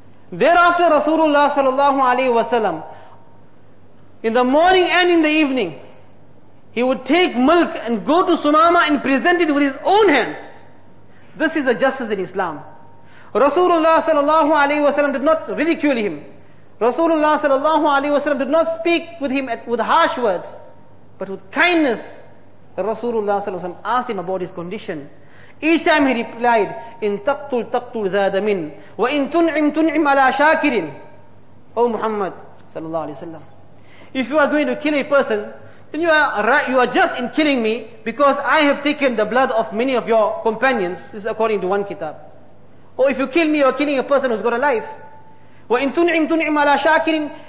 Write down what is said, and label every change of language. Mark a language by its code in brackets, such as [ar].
[en] Thereafter, Rasulullah sallallahu alayhi wa sallam, in the morning and in the evening, he would take milk and go to Thumama and present it with his own hands. This is the justice in Islam. Rasulullah sallallahu alayhi wa sallam did not ridicule him. Rasulullah sallallahu alayhi wa sallam did not speak with him with harsh words, but with kindness. Rasulullah sallallahu alayhi wa sallam asked him about his condition. Each time he replied, [ar] إِن تَقْتُلْ تَقْتُلْ ذَادَ مِنْ وَإِن تُنْعِمْ تُنْعِمْ عَلَى شَاكِرٍ. [en] O Muhammad sallallahu alayhi wa sallam, if you are going to kill a person, then you are just in killing me because I have taken the blood of many of your companions. This is according to one kitab. Or if you kill me, you are killing a person who's got a life. [ar] وَإِن تُنْعِمْ تُنْعِمْ عَلَى شَاكِرٍ.